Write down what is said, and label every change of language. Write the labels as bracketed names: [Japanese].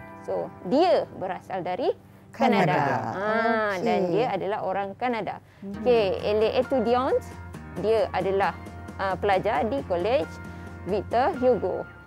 [Malay] So, dia berasal dari Canada. Dan dia adalah orang Canada. [French] Okey, elle est étudiante. [Malay] Dia adalah pelajar di College Victor Hugo.